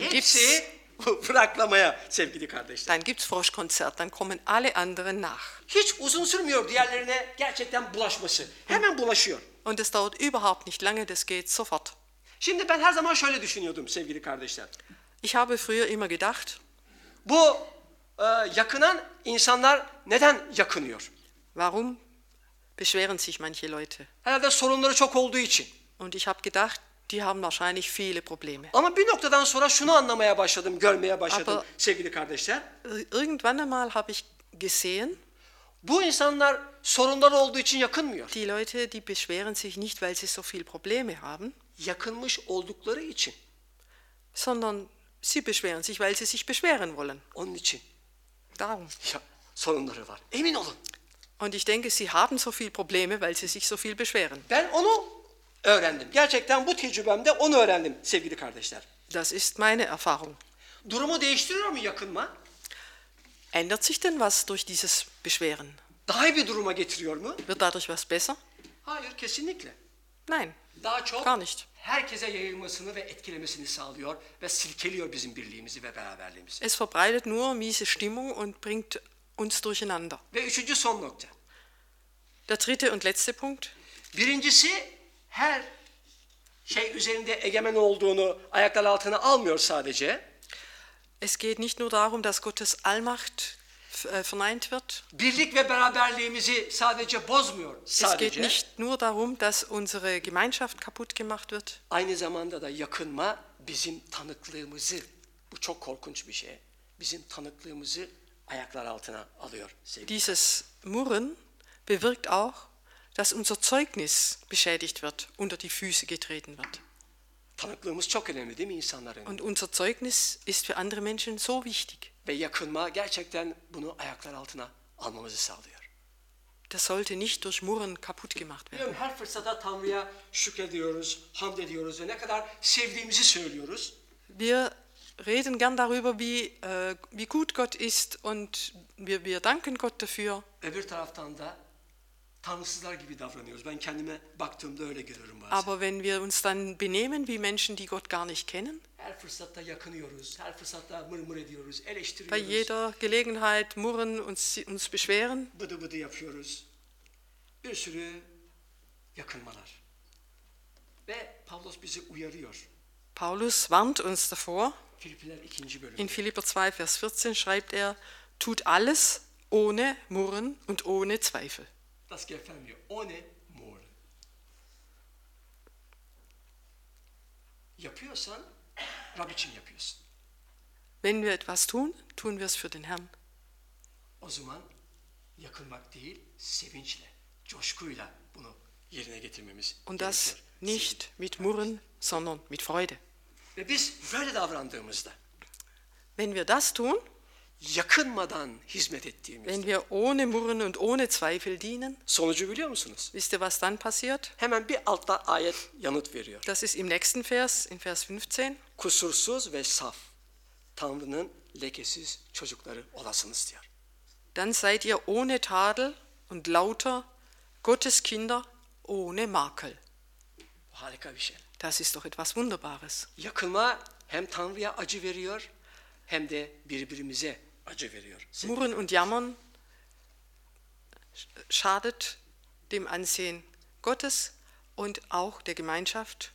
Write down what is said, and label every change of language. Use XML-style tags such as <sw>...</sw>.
<tr>hepsi vraklamaya sevgili kardeşler.</tr> <de>Dann gibt's Froschkonzert, dann kommen alle anderen nach.</de> <tr>Hiç uzun sürmüyor diğerlerine gerçekten bulaşması. Hemen bulaşıyor.</tr> <de>Und es dauert überhaupt nicht lange, das geht sofort.</de> <tr>Şimdi ben her zaman şöyle düşünüyordum sevgili kardeşler.</tr> <de>Ich habe früher immer gedacht.</de> <tr>Bu yakınan insanlar neden yakınıyor?</tr> <de>Warum beschweren sich manche Leute?</de> <tr>Herhalde sorunları çok olduğu için.</tr> <de>Und ich habe gedacht, die haben wahrscheinlich viele Probleme.</de> <tr>Ama bir noktadan sonra şunu anlamaya başladım, görmeye başladım</tr> <de>Aber</de> <tr>sevgili kardeşler.</tr> <de>Irgendwann einmal habe ich gesehen.</de> <tr>Bu insanlar sorunları olduğu için yakınmıyor.</tr> <de>Die Leute, die beschweren sich nicht, weil sie so viele Probleme haben.</de> <tr>Yakınmış oldukları için.</tr> <de>Sondern sie beschweren sich, weil sie sich beschweren wollen.</de> <tr>Onun için.</tr> <de>Darum.</de> <tr>Ja, sorunları var. Emin olun.</tr> <de>Und ich denke, sie haben so viele Probleme, weil sie sich so viel beschweren.</de> <tr>Ben onu öğrendim. Gerçekten bu tecrübemde onu öğrendim sevgili kardeşler.</tr> <de>Das ist meine Erfahrung.</de> <tr>Durumu değiştiriyor mu yakınma?</tr> <de>Ändert sich denn was durch dieses Beschweren?</de> <tr>Daha iyi bir duruma getiriyor mu?</tr> <de>Wird dadurch was besser?</de> <tr>Hayır, kesinlikle.</tr> <de>Nein.</de> <tr>Daha çok</tr> <de>gar nicht.</de> <tr>Herkese yayılmasını ve etkilemesini sağlıyor ve silkeliyor bizim birliğimizi ve beraberliğimizi.</tr> <de>Es verbreitet nur miese Stimmung und bringt uns durcheinander.</de> <tr>Ve üçüncü son nokta.</tr> <de>Der dritte und letzte Punkt.</de> <tr>Birincisi, her şey üzerinde egemen olduğunu ayaklar altına almıyor sadece.</tr> <de>Es geht nicht nur darum, dass Gottes Allmacht verneint wird.</de> <tr>Birlik ve beraberliğimizi sadece bozmuyor. Sadece.</tr> <de>Es geht nicht nur darum, dass unsere Gemeinschaft kaputt gemacht wird.</de> <tr>Aynı zamanda da yakınma bizim tanıklığımızı, bu çok korkunç bir şey, bizim tanıklığımızı ayaklar altına alıyor. Sevgili.</tr> <de>Dieses Murren bewirkt auch, dass unser Zeugnis beschädigt wird, unter die Füße getreten wird.</de> <tr>Tanıklığımız çok önemli değil mi insanların?</tr> <de>Und unser Zeugnis ist für andere Menschen so wichtig.</de> <tr>Ve yakınma gerçekten bunu ayaklar altına almamızı sağlıyor.</tr> <de>Das sollte nicht durch Murren kaputt gemacht werden.</de> <tr>Her fırsatta Tanrı'ya şükrediyoruz, hamd ediyoruz ve ne kadar sevdiğimizi söylüyoruz.</tr> <de>Wir reden gern darüber, wie gut Gott ist und wir danken Gott dafür.</de> <tr>Öbür taraftan da tanrısızlar gibi davranıyoruz. Ben kendime baktığımda öyle görüyorum bazen.</tr> <de>Aber wenn wir uns dann benehmen wie Menschen, die Gott gar nicht kennen?</de> <tr>Her fırsatta yakınıyoruz, her fırsatta mırmır ediyoruz, eleştiriyoruz.</tr> <de>Bei jeder Gelegenheit murren uns beschweren.</de> <tr>Bıdı bıdı yapıyoruz. Bir sürü yakınmalar. Ve Paulus bizi uyarıyor.</tr> <de>Paulus warnt uns davor.</de> <tr>Philipper 2. bölüm.</tr> <de>In Philipper 2 Vers 14 schreibt er: "Tut alles ohne Murren und ohne Zweifel." Das gefällt mir. Ohne Murren.</de> <tr>Yapıyorsan Rab için yapıyorsun.</tr> <de>Wenn wir etwas tun, tun wir es für den Herrn.</de> <tr>O zaman yakınmak değil, sevinçle, coşkuyla bunu yerine getirmemiz gerekiyor.</tr> <de>Und das nicht mit Murren, sondern mit Freude.</de> <tr>Ve biz böyle davrandığımızda,</tr> <de>wenn wir das tun,</de> <tr>yakınmadan hizmet ettiğimizde,</tr> <de>wenn wir ohne Murren und ohne Zweifel dienen,</de> <tr>sonucu biliyor musunuz?</tr> <de>Wisst ihr, was dann passiert?</de> <tr>Hemen bir altta ayet yanıt veriyor.</tr> <de>Das ist im nächsten Vers, in Vers 15.</de> <tr>Kusursuz ve saf, Tanrı'nın lekesiz çocukları olasınız diyor.</tr> <de>Dann seid ihr ohne Tadel und lauter Gottes Kinder ohne Makel.</de> <tr>Harika bir şey.</tr> <de>Das ist doch etwas Wunderbares.</de> <tr>Yakınma hem Tanrı'ya acı veriyor, hem de birbirimize acı veriyor.</tr> <de>Murren und jammern schadet dem Ansehen Gottes und auch der Gemeinschaft.</de>